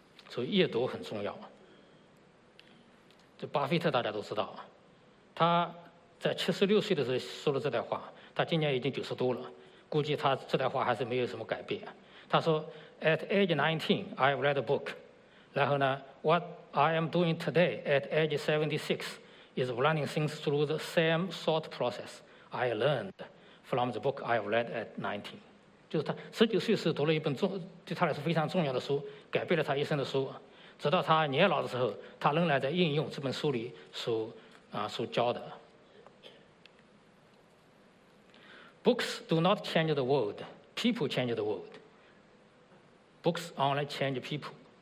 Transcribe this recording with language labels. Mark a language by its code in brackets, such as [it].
[zh] 所以阅读很重要。这巴菲特大家都知道，他在76岁的时候说了这段话，他今年已经90多了，估计他这段话还是没有什么改变。他说 [en] ：“At age 19, I've read a book。” [zh] 然后呢 [en] ，What I am doing today at age 76 is running things through the same thought process I learned from the book I've read at 19. [zh] 就是他19岁时读了一本对他来说非常重要的书，改变了他一生的书。直到他年老的时候，他仍然在应用这本书里所教的。 [en] Books do not change the world. People change the world. Books only change people.